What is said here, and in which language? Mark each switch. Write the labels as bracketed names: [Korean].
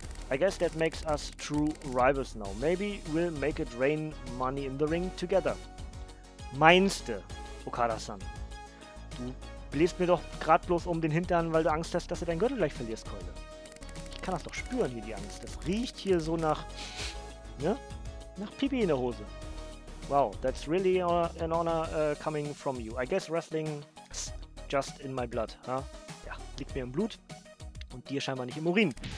[English] I guess that makes us true rivals now. Maybe we'll make it rain money in the ring together. [German] Meinste, Okada-san. Du bläst mir doch grad bloß um den Hintern, weil du Angst hast, dass du deinen Gürtel gleich verlierst, Keule. Ich kann das doch spüren hier, die Angst. Das riecht hier so nach, ne? Nach Pipi in der Hose. [English] Wow, that's really an honor coming from you. I guess wrestling's just in my blood, huh? [German] Ja, liegt mir im Blut und dir scheinbar nicht im Urin.